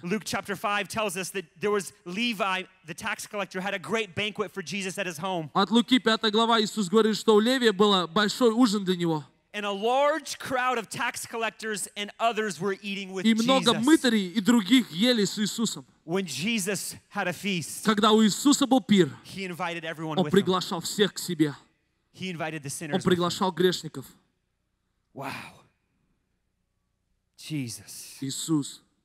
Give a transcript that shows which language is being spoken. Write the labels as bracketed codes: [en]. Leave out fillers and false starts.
[en] Luke chapter 5 tells us that there was Levi, the tax collector, had a great banquet for Jesus at his home. [ru] От Луки 5 глава Иисус говорит, что у Левия было большой ужин для него. [en] And a large crowd of tax collectors and others were eating with [ru] Jesus. И много мытарей и других ели с Иисусом. [en] When Jesus had a feast, [ru] когда у Иисуса был пир, [en] he invited everyone [ru] Он приглашал всех к себе. [en] He invited the sinners. [ru] Он приглашал грешников. [en] Wow. Jesus. [ru] Иисус.